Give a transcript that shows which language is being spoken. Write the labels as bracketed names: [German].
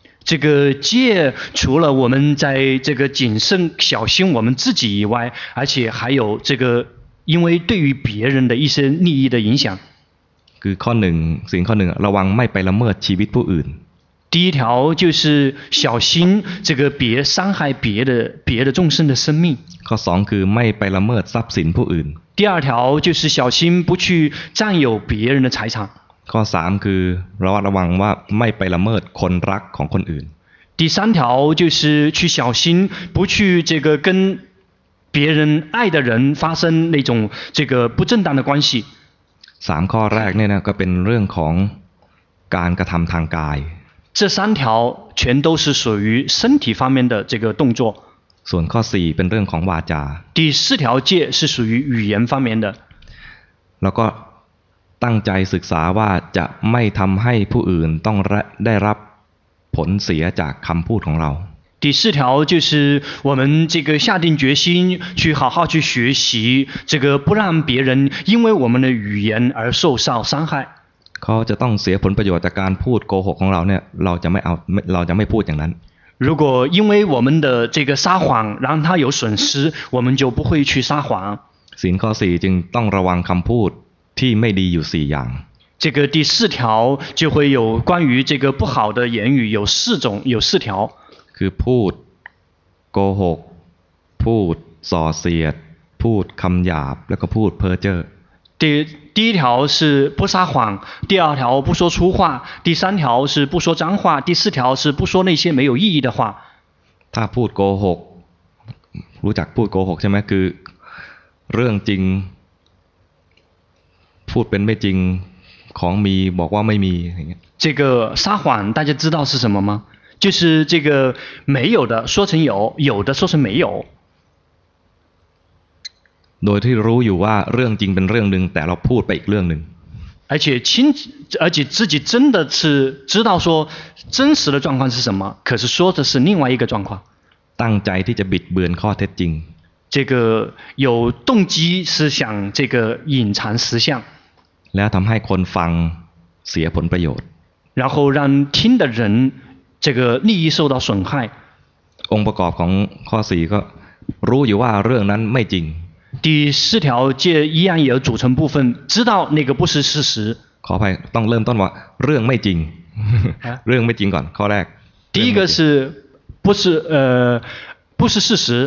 [Chinese] 这个戒除了我们在这个谨慎小心我们自己以外而且还有这个因为对于别人的一些利益的影响 [Thai] คือข้อหนึ่งสิ่งข้อหนึ่งระวังไม่ไปละเมิดชีวิตผู้อื่น [Chinese] 第一条就是小心这个别伤害别的众生的生命 [Thai] ข้อสองคือไม่ไปละเมิดทรัพย์สินผู้อื่น [Chinese] 第二条就是小心不去占有别人的财产 [Thai] ข้อ3คือระวังว่าไม่ไปละเมิดคนรักของคนอื่น [Chinese] 第三条就是去小心不去这个跟别人爱的人发生那种这个不正当的关系 [Thai] 3ข้อแรกเนี่ยนะก็เป็นเรื่องของการกระทำทางกาย [Chinese] 这三条全都是属于身体方面的这个动作 [Thai] ส่วนข้อ4เป็นเรื่องของวาจา [Chinese] 第四条戒是属于语言方面的 [Thai] แล้วก็ตั้งใจศึกษาว่าจะไม่ทำให้ผู้อื่นต้องได้รับผลเสียจากคำพูดของเรา [Chinese] 第四条就是我们这个下定决心去好好去学习这个不让别人因为我们的语言而受到伤害 [Thai] เขาจะต้องเสียผลประโยชน์จากการพูดโกหกของเราเนี่ยเราจะไม่พูดอย่างนั้น [Chinese] 如果因为我们的这个撒谎让他有损失我们就不会去撒谎 [Thai] ศีลข้อ4จึงต้องระวังคำพูดที่ไม่ดีอยู่4อย่าง [Chinese] 这个第四条就会有关于这个不好的言语有四种有四条 [Thai] คือพูดโกหกพูดส่อเสียดพูดคำหยาบแล้วก็พูดเพ้อเจ้อ [Chinese] 第一条是不撒谎第二条不说粗话第三条是不说脏话第四条是不说那些没有意义的话 [Thai] ถ้าพูดโกหกรู้จักพูดโกหกใช่ไหมคือเรื่องจริงพูดเป็นไม่จริงของมีบอกว่าไม่มีอย่างเงี้ [Chinese] ย这个撒谎大家知道是什么吗就是这个没有的说成有有的说成没有 [Thai] โดยที่รู้อยู่ว่าเรื่องจริงเป็นเรื่องนึงแต่เราพูดไปอีกเรื่องนึง [Chinese] 而且亲而且自己真的是知道说真实的状况是什么可是说的是另外一个状况 [Thai] ตั้งใจที่จะบิดเบือนข้อเท็จจริง [Chinese] 这个有动机是想这个隐藏实相 [Thai] แล้วทำให้คนฟังเสียผลประโยชน์ [Chinese] 然后让听的人这个利益受到损害 [Thai] องค์ประกอบของข้อ4ก็รู้อยู่ว่าเรื่องนั้นไม่จริง [Chinese] 第四条戒一样也有组成部分知道那个不是事实 [Thai] ขออภัยต้องเริ่มต้นว่าเรื่องไม่จริง เรื่องไม่จริงก่อนข้อแรก [Chinese] 第一个是不是不是事实